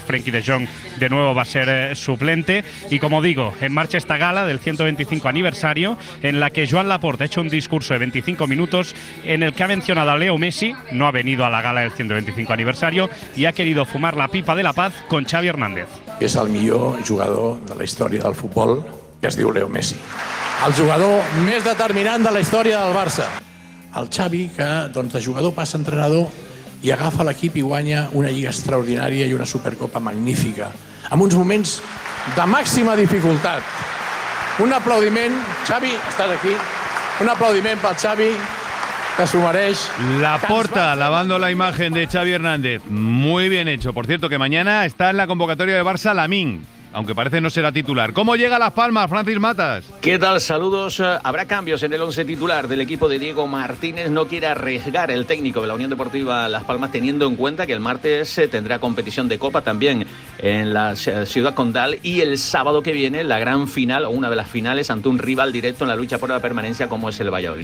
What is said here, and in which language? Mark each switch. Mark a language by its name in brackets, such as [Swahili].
[Spanish] Frenkie de Jong de nuevo va a ser suplente. Y como digo, en marcha esta gala del 125 aniversario, en la que Joan Laporte ha hecho un discurso de 25 minutos en el que ha mencionado a Leo Messi, no ha venido a la gala del 125 aniversario, y ha querido fumar la pipa de la paz con Xavi Hernández. [Catalan] És el millor jugador de la història del futbol, que es diu Leo Messi. El jugador més determinant de la història del Barça. El Xavi, que doncs, de jugador passa a entrenador i agafa l'equip i guanya una lliga extraordinària i una supercopa magnífica, amb uns moments de màxima dificultat. Un aplaudiment, Xavi, estàs aquí. Un aplaudiment pel Xavi, que s'ho mereix. [Spanish] La porta, lavando la imagen de Xavi Hernández. Muy bien hecho. Por cierto, que mañana está en la convocatoria de Barça Lamín, aunque parece no será titular. ¿Cómo llega Las Palmas, Francis Matas? ¿Qué tal? Saludos. Habrá cambios en el once titular del equipo de Diego Martínez. No quiere arriesgar el técnico de la Unión Deportiva Las Palmas, teniendo en cuenta que el martes tendrá competición de Copa también en la Ciudad Condal, y el sábado que viene la gran final, o una de las finales, ante un rival directo en la lucha por la permanencia como es el Valladolid.